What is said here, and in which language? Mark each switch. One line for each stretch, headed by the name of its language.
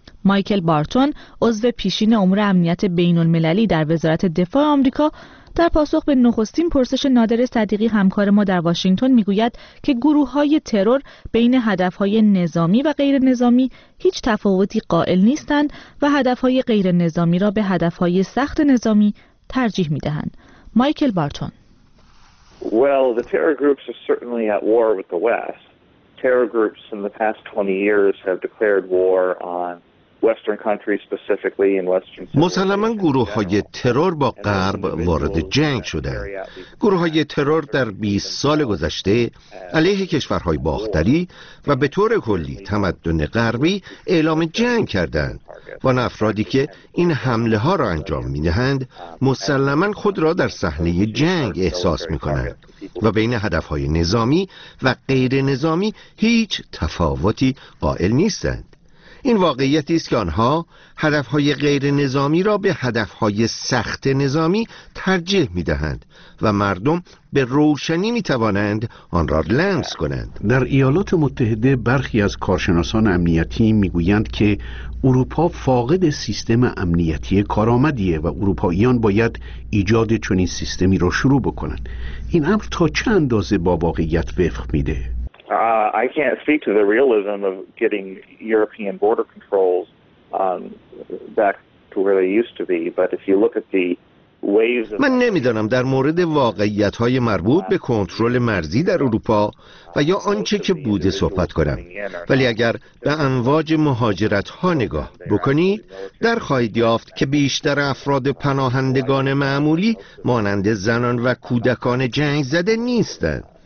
Persian: مایکل بارتون، عضو پیشین امور امنیت بین‌المللی در وزارت دفاع آمریکا، در پاسخ به نخستین پرسش نادر صدیقی همکار ما در واشنگتن میگوید که گروه‌های ترور بین هدف‌های نظامی و غیر نظامی هیچ تفاوتی قائل نیستند و هدف‌های غیر نظامی را به هدف‌های سخت نظامی ترجیح می‌دهند. مایکل بارتون:
English: Well, the terror groups are certainly at war with the West. Terror groups in the past 20 years have declared war on
Persian: مسلماً گروه های ترور با غرب وارد جنگ شدند. گروه های ترور در 20 سال گذشته علیه کشورهای باختری و به طور کلی تمدن غربی اعلام جنگ کردند. و افرادی که این حمله ها را انجام می دهند مسلماً خود را در صحنه جنگ احساس می کنند و بین هدف های نظامی و غیر نظامی هیچ تفاوتی قائل نیستند. این واقعیتی است که آنها هدف‌های غیر نظامی را به هدف‌های سخت نظامی ترجیح می‌دهند و مردم به روشنی می‌توانند آن را لمس کنند. در ایالات متحده برخی از کارشناسان امنیتی می‌گویند که اروپا فاقد سیستم امنیتی کارآمدیه و اروپاییان باید ایجاد چنین سیستمی را شروع بکنند. این امر تا چه اندازه با واقعیت وفق می‌ده؟
English: I can't speak to the realism of getting European border controls back to where they used to be, but if you look at the waves of
Persian: من نمیدانم در مورد واقعیت‌های مربوط به کنترل مرزی در اروپا و یا آنچه که بوده صحبت کنم، ولی اگر به امواج مهاجرت‌ها نگاه بکنید در خواهید یافت که بیشتر افراد پناهندگان معمولی مانند زنان و کودکان جنگ زده نیستند.